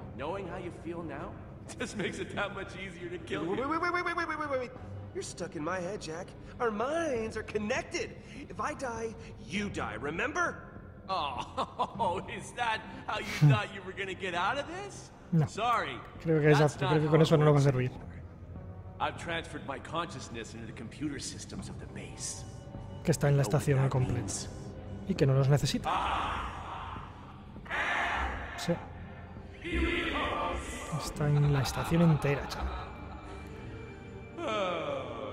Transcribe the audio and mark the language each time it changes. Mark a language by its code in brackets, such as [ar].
[en] Knowing how you feel now, just makes it that much easier to kill you. Wait. You're stuck in my head, Jack. Our minds are connected. If I die, you die, remember? Oh, is that how you thought you were gonna get out of this? No. Sorry. [es] Creo que con eso no nos va a servir. [en] I've transferred my consciousness into the computer systems of the base. [es] Que está en la estación al completo. Y que no nos necesita. Sí. Está en la estación entera, chaval.